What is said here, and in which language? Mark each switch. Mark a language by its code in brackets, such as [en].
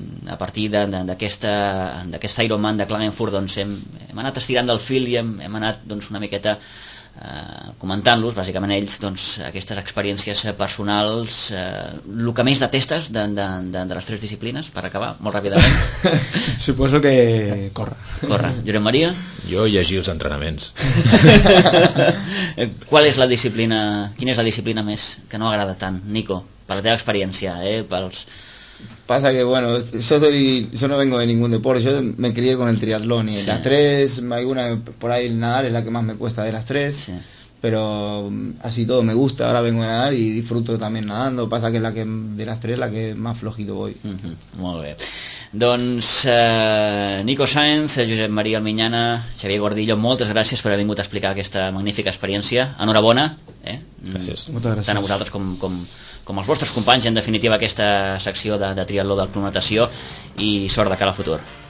[ca] A partir d'aquest Ironman de Klagenfurt, doncs hem anat estirant del fil i hem anat, doncs, una miqueta comentant-los, bàsicament ells, doncs, aquestes experiències personals, el que més detestes de les tres disciplines, per acabar molt ràpidament. Suposo que corre. Corre. Josep Maria? Jo llegir els entrenaments. Qual és la disciplina, quina és la disciplina més que no agrada tant, Nico, per la teva experiència, pels... [es] Pasa que, bueno, yo no vengo de ningún deporte, yo me crié con el triatlón y las tres, alguna por ahí nadar es la que más me cuesta de las tres, pero así todo me gusta, ahora vengo a nadar y disfruto también nadando, pasa que es la que de las tres la que más flojito voy. [ca] Molt bé. Doncs Nico Sáenz, Josep Maria Almiñana, Xavier Gordillo, moltes gràcies per haver vingut a explicar aquesta magnífica experiència. Enhorabona. Gràcies. Moltes gràcies. Tant a vosaltres com els vostres companys, en definitiva, aquesta secció de triatló del Club Natació, i sort de cara al futur.